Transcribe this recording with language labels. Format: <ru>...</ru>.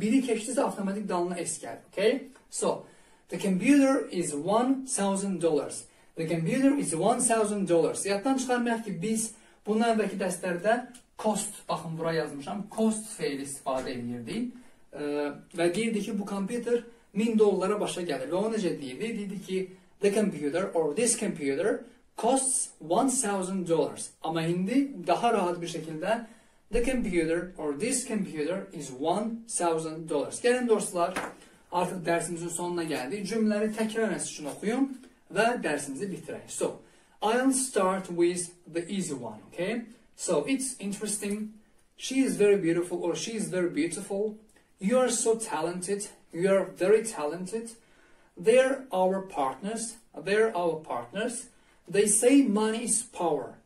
<az>Biri keçdisə avtomatik dalına es gəlir.</az> <en>Okay? So, the computer is $1,000. The computer is $1,000.</en> <az>Yaddan çıxarmayaq ki, biz bundan əvvəlki dərslərdə cost, baxın bura yazmışam, cost feili istifadə edirdik. Və deyirdi ki, bu computer 1000 dollara başa gəlir. Və o necə deyirdi? Deyirdi ki,</az> <en>the computer or this computer costs $1,000.</en> <az>Amma indi daha rahat bir şəkildə</az> <en>the computer or this computer is $1,000.</en> <az>Gəlin dostlar, artıq dərsimizin sonuna gəldik. Cümləni təkrarlaması üçün oxuyum və dərsimizi bitirək.</az> <en>So, I'll start with the easy one, okay? So, it's interesting. She is very beautiful or she is very beautiful. You are so talented. You are very talented. They're our partners. They're our partners. They say money is power.</en>